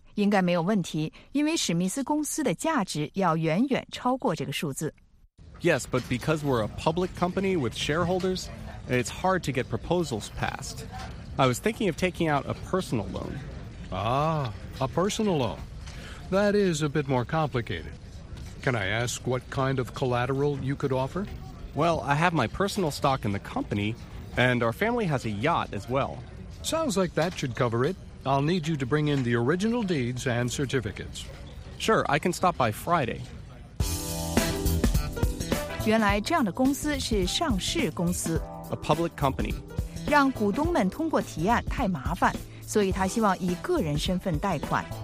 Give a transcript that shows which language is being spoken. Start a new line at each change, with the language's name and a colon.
Chinese: 应该没有问题，因为史密斯公司的价值要远远超过这个数字。
English: Yes, but because we're a public company with shareholders, it's hard to get proposals passed. I was thinking of taking out a personal loan. Ah, a personal loan. That is a bit more complicated. Can I ask what kind of collateral you could offer? Well, I have my personal stock in the company, and our family has a yacht as well. Sounds like that should cover it. I'll need you to bring in the original deeds and certificates. Sure, I can stop by Friday.
Chinese: 原来这样的公司是上市公司
English: A public company
Chinese: 让股东们通过提案太麻烦所以他希望以个人身份贷款